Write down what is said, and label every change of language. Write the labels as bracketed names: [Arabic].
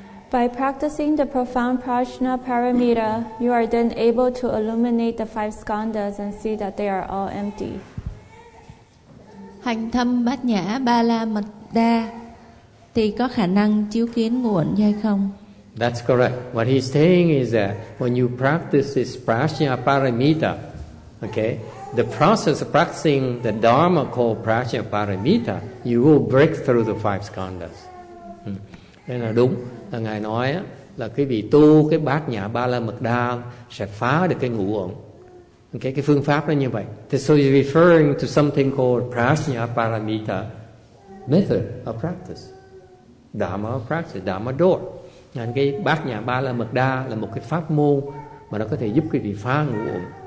[English] By practicing the profound prajna paramita, you are then able to illuminate the five skandhas and see that they are all empty. [Vietnamese] Hành thâm bát nhã ba la mật đa thì có khả năng chiếu kiến ngũ uẩn hay không? [English] That's correct. What he's saying is that when you practice this prajna paramita, okay, the process of practicing the Dharma called prajna paramita, you will break through the five skandhas. [Vietnamese] Thế là đúng. Là ngài nói là quý vị tu cái bát nhã ba la mật đa sẽ phá được cái ngũ uẩn. Okay, cái phương pháp nó như vậy. [English] So you're referring to something called prajna paramita method of practice. Dharma of practice, Dharma door. [Vietnamese] Nên cái bát nhã ba la mật đa là một cái pháp môn mà nó có thể giúp quý vị phá ngũ uẩn.